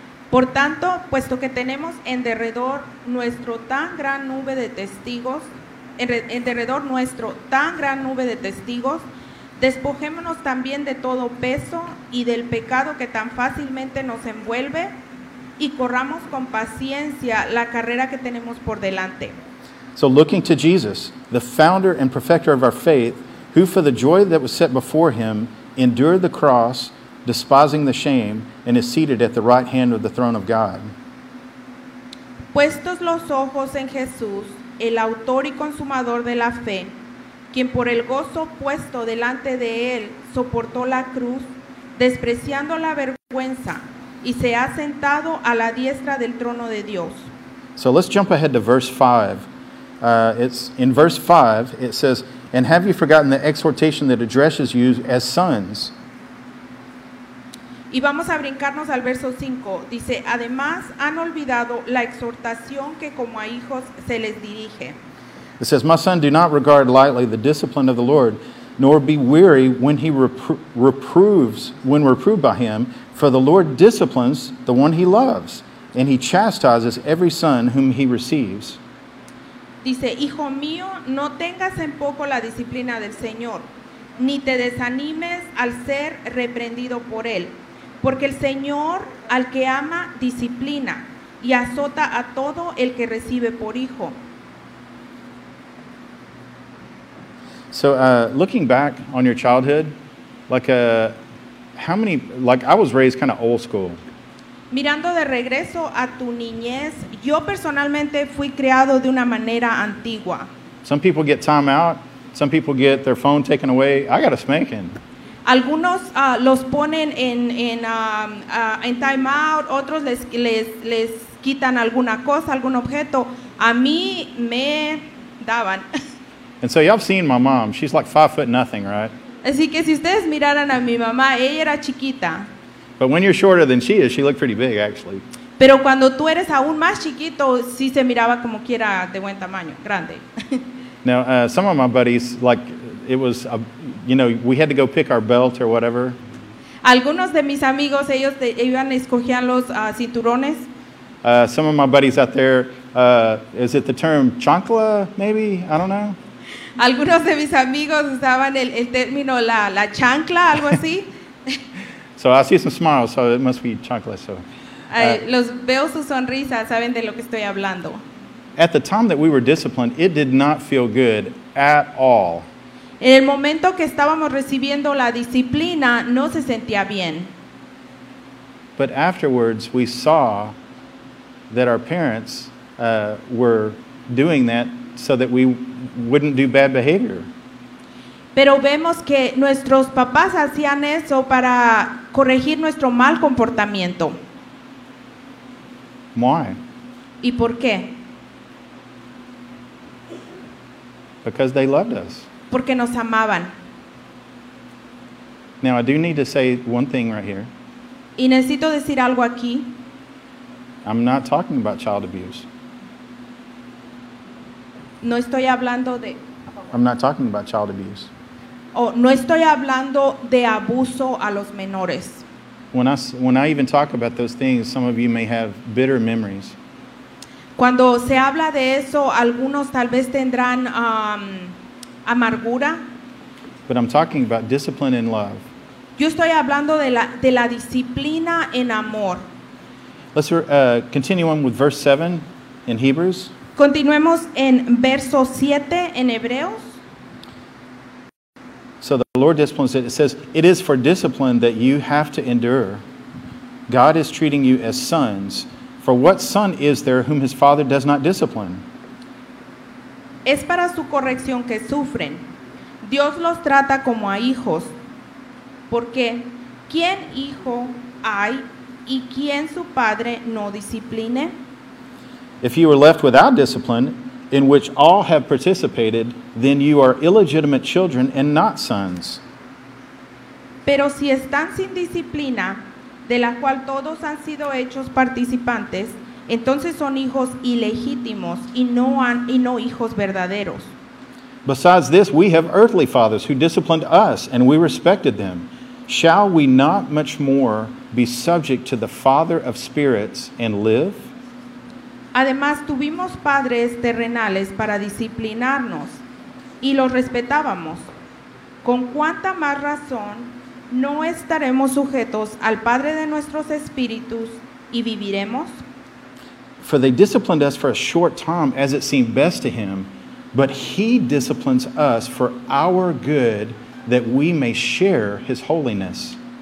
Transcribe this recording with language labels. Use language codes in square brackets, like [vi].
[es] Por tanto, puesto que tenemos en derredor nuestro tan gran nube de testigos, en derredor nuestro tan gran nube de testigos, despojémonos también de todo peso y del pecado que tan fácilmente nos envuelve y corramos con paciencia la carrera que tenemos por delante. [en] So looking to Jesus, the founder and perfecter of our faith, who for the joy that was set before him endured the cross, despising the shame, and is seated at the right hand of the throne of God. [es] Puestos los ojos en Jesús, el autor y consumador de la fe, quien por el gozo puesto delante de él soportó la cruz, despreciando la vergüenza, y se ha sentado a la diestra del trono de Dios. [en] So let's jump ahead to verse 5. In verse 5, it says, "And have you forgotten the exhortation that addresses you as sons?" [es] Y vamos a brincarnos al verso 5. Dice, "Además han olvidado la exhortación que como a hijos se les dirige." [en] It says, "My son, do not regard lightly the discipline of the Lord, nor be weary when he reproves by him, for the Lord disciplines the one he loves, and he chastises every son whom he receives." [es] Dice, "Hijo mío, no tengas en poco la disciplina del Señor, ni te desanimes al ser reprendido por él, porque el Señor al que ama disciplina y azota a todo el que recibe por hijo." [en] So looking back on your childhood, I was raised kind of old school. [es] Mirando de regreso a tu niñez, yo personalmente fui criado de una manera antigua. [en] Some people get time out, some people get their phone taken away. I got a spanking. [es] Algunos los ponen en time out, otros les quitan alguna cosa, algún objeto. A mí me daban. [en] And so y'all seen my mom. She's like 5 foot nothing, right? [es] Así que si ustedes miraran a mi mamá, ella era chiquita. [en] But when you're shorter than she is, she looked pretty big, actually. [es] Pero cuando tú eres aún más chiquito, sí se miraba como quiera de buen tamaño, grande. [en] Now, some of my buddies, like, it was, a, you know, we had to go pick our belt or whatever. [es] Algunos de mis amigos, ellos escogían los cinturones. [en] Some of my buddies out there, is it the term chancla, maybe? I don't know. [es] Algunos de mis amigos usaban el término la chancla, algo así. [en] So I see some smiles, so it must be chancla. So. [es] Los veo su sonrisa, saben de lo que estoy hablando. [en] At the time that we were disciplined, it did not feel good at all. [es] En el momento que estábamos recibiendo la disciplina, no se sentía bien. [en] But afterwards, we saw that our parents were doing that so that we wouldn't do bad behavior. [es] Pero vemos que nuestros papás hacían eso para corregir nuestro mal comportamiento. [en] Why? [es] ¿Y por qué? [en] Because they loved us. [es] Porque nos amaban. [en] Now I do need to say one thing right here. [es] Y necesito decir algo aquí. [en] I'm not talking about child abuse. [es] No estoy hablando de... [en] I'm not talking about child abuse. [es] Oh, no estoy hablando de abuso a los menores. [en] When I even talk about those things, some of you may have bitter memories. [es] Cuando se habla de eso, algunos tal vez tendrán amargura. [en] But I'm talking about discipline in love. [es] Yo estoy hablando de la disciplina en amor. [en] Let's continue on with verse 7 in Hebrews. [es] Continuemos en verso 7 en Hebreos. [en] So the Lord disciplines it. It says, "It is for discipline that you have to endure. God is treating you as sons. For what son is there whom his father does not discipline?" [es] Es para su corrección que sufren. Dios los trata como a hijos. Porque, ¿quién hijo hay y quién su padre no discipline? [en] If you are left without discipline, in which all have participated, then you are illegitimate children and not sons. [es] Pero si están sin disciplina, de la cual todos han sido hechos participantes, entonces son hijos ilegítimos y no hijos verdaderos. [en] Besides this, we have earthly fathers who disciplined us, and we respected them. Shall we not much more be subject to the Father of spirits and live? [es] Además, tuvimos padres terrenales para disciplinarnos y los respetábamos. ¿Con cuánta más razón no estaremos sujetos al Padre de nuestros espíritus y viviremos? [en] For they disciplined us for a short time as it seemed best to him, but he disciplines us for our good that we may share his holiness.